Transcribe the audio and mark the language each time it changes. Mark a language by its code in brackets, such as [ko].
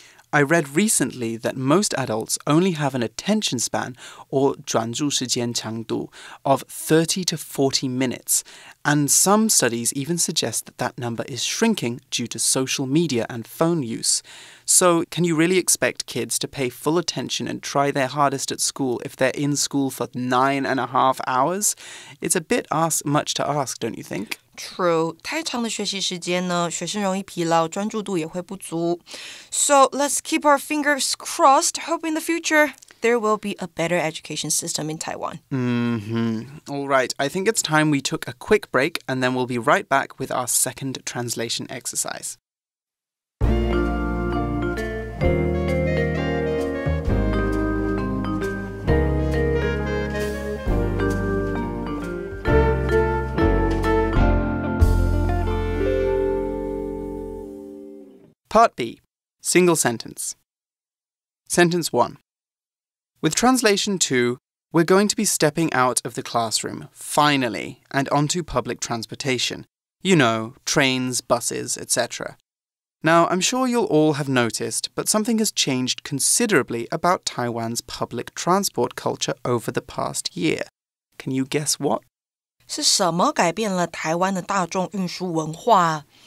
[en] I read recently that most adults only have an attention span, or [zh] 专注时间长度, [en] of 30 to 40 minutes, and some studies even suggest that that number is shrinking due to social media and phone use. So, can you really expect kids to pay full attention and try their hardest at school if they're in school for 9.5 hours? It's a bit much to ask, don't you think? [zh] True， 太长的学习时间呢，学生容易疲劳，专注度也会不足。 [en] So let's keep our fingers crossed, hope in the future there will be a better education system in Taiwan. All right, I think it's time we took a quick break, and then we'll be right back with our second translation exercise. Part B, single sentence. Sentence 1. With translation 2, we're going to be stepping out of the classroom, finally, and onto public transportation. You know, trains, buses, etc. Now, I'm sure you'll all have noticed, but something has changed considerably about Taiwan's public transport culture over the past year. Can you guess what? [zh] 是什么改变了台湾的大众运输文化啊？